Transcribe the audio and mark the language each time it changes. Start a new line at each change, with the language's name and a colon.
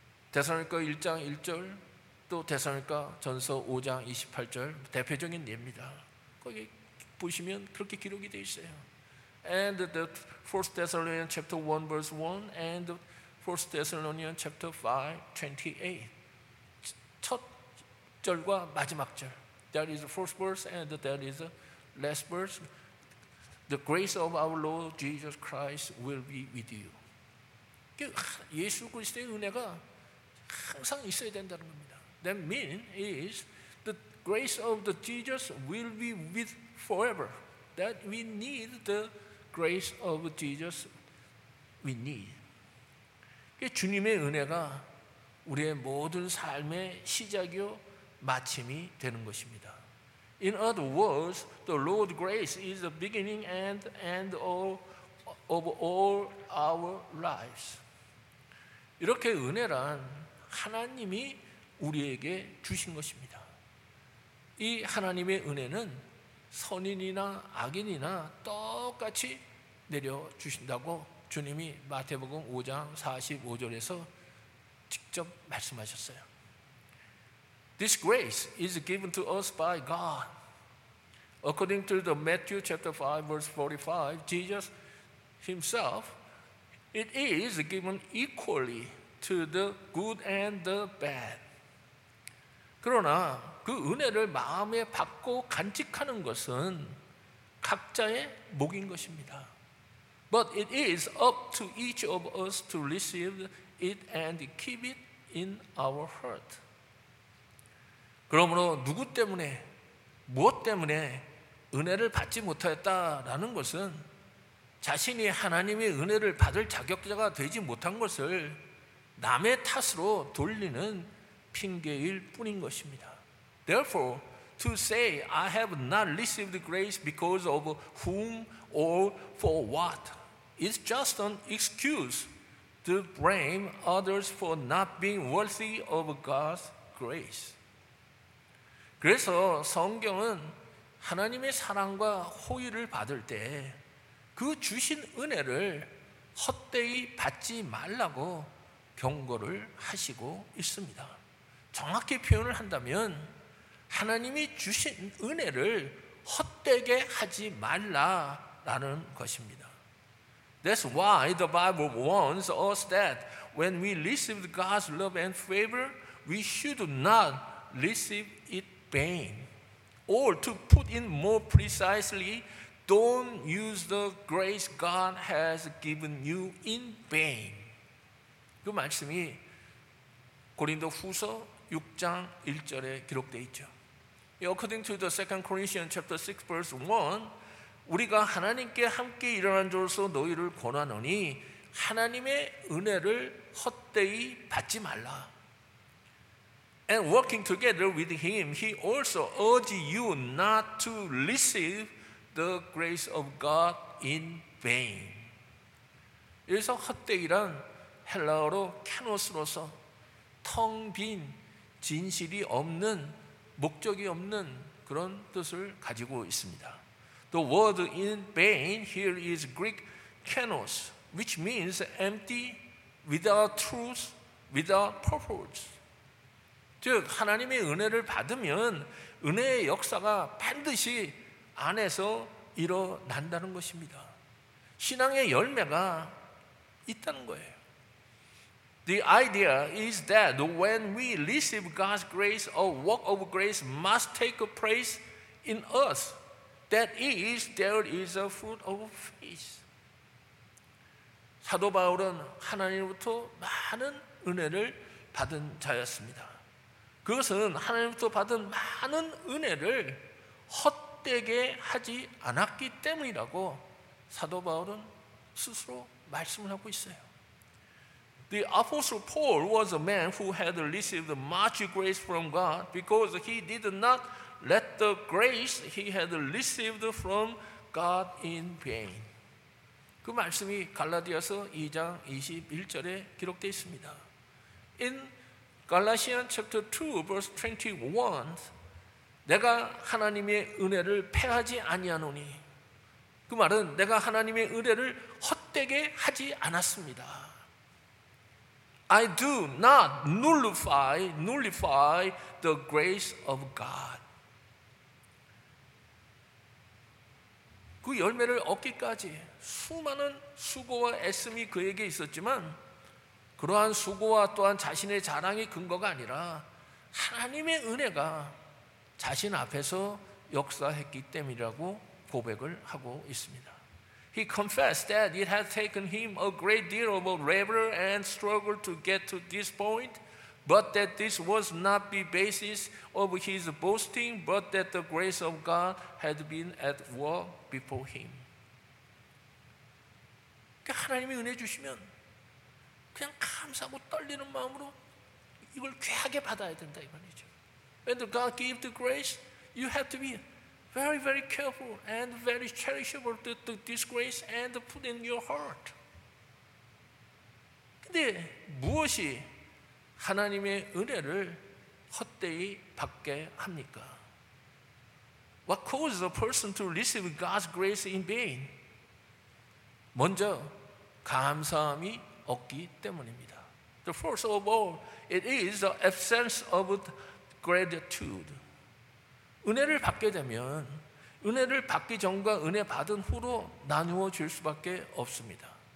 Korean: 데살로니가 1장 1절, 또 데살로니가 전서 5장 28절, 대표적인 예입니다. 거기 보시면 그렇게 기록이 되어 있어요.
English: And the First Thessalonians chapter 1 verse 1 and First Thessalonians chapter 5:28.
Korean: 첫 절과 마지막 절.
English: That is the first verse and that is the last verse. The grace of our Lord Jesus Christ will be with you.
Korean: 예수 그리스도의 은혜가 항상 있어야 된다는 겁니다.
English: That mean is the grace of the Jesus will be with forever. That we need the grace of Jesus we need.
Korean: 주님의 은혜가 우리의 모든 삶의 시작이요 마침이 되는 것입니다.
English: In other words, the Lord's grace is the beginning and end of all our lives.
Korean: 이렇게 은혜란 하나님이 우리에게 주신 것입니다. 이 하나님의 은혜는 선인이나 악인이나 똑같이 내려주신다고 주님이 마태복음 5장 45절에서 직접 말씀하셨어요.
English: This grace is given to us by God. According to the Matthew chapter 5 verse 45, Jesus himself, it is given equally to the good and the bad.
Korean: 그러나 그 은혜를 마음에 받고 간직하는 것은 각자의 몫인 것입니다.
English: But it is up to each of us to receive it and keep it in our heart.
Korean: 그러므로 누구 때문에, 무엇 때문에 은혜를 받지 못하였다라는 것은 자신이 하나님의 은혜를 받을 자격자가 되지 못한 것을 남의 탓으로 돌리는 핑계일 뿐인 것입니다.
English: Therefore, to say I have not received grace because of whom or for what is just an excuse to blame others for not being worthy of God's grace.
Korean: 그래서 성경은 하나님의 사랑과 호의를 받을 때 그 주신 은혜를 헛되이 받지 말라고 경고를 하시고 있습니다. 정확히 표현을 한다면 하나님이 주신 은혜를 헛되게 하지 말라라는 것입니다.
English: That's why the Bible warns us that when we receive God's love and favor, we should not receive it vain. Or to put it more precisely, don't use the grace God has given you in vain.
Korean: 그 말씀이 고린도 후서 6장 1절에 기록되어 있죠.
English: According to the 2 Corinthians chapter 6 verse 1,
Korean: 우리가 하나님께 함께 일어난 줄로서 너희를 권하노니 하나님의 은혜를 헛되이 받지 말라.
English: And working together with him, he also urged you not to receive the grace of God in vain.
Korean: 여기서 헛되이란 헬라어로 케노스로서 텅 빈 진실이 없는 목적이 없는 그런 뜻을 가지고 있습니다.
English: The word in vain here is Greek kenos, which means empty, without truth, without purpose.
Korean: 즉 하나님의 은혜를 받으면 은혜의 역사가 반드시 안에서 일어난다는 것입니다. 신앙의 열매가 있다는 거예요.
English: The idea is that when we receive God's grace, a work of grace must take place in us. That is, there is a fruit of faith.
Korean: 사도 바울은 하나님으로부터 많은 은혜를 받은 자였습니다. 그것은 하나님으로부터 받은 많은 은혜를 헛되게 하지 않았기 때문이라고 사도 바울은 스스로 말씀을 하고 있어요.
English: The Apostle Paul was a man who had received much grace from God because he did not let the grace he had received from God in vain.
Korean: 그 말씀이 갈라디아서 2장 21절에 기록되어 있습니다.
English: In Galatians chapter 2 verse 21,
Korean: 내가 하나님의 은혜를 폐하지 아니하노니 그 말은 내가 하나님의 은혜를 헛되게 하지 않았습니다.
English: I do not nullify the grace of God.
Korean: 그 열매를 얻기까지 수많은 수고와 애씀이 그에게 있었지만 그러한 수고와 또한 자신의 자랑이 근거가 아니라 하나님의 은혜가 자신 앞에서 역사했기 때문이라고 고백을 하고 있습니다.
English: He confessed that it had taken him a great deal of labor and struggle to get to this point, but that this was not the basis of his boasting, but that the grace of God had been at work before him.
Korean: 하나님이 은혜 주시면 그냥 감사하고 떨리는 마음으로 이걸 귀하게 받아야 된다 이 말이죠.
English: When God gives the grace, you have to be very, very careful and very cherishable to this grace and put in your heart.
Korean: 근데 무엇이 하나님의 은혜를 헛되이 받게 합니까?
English: What causes a person to receive God's grace in vain?
Korean: 먼저 감사함이 없기 때문입니다.
English: The first of all, it is the absence of gratitude.
Korean: 은혜를 받게 되면 은혜를 받기 전과 은혜 받은 후로 나누어 줄 수밖에 없습니다.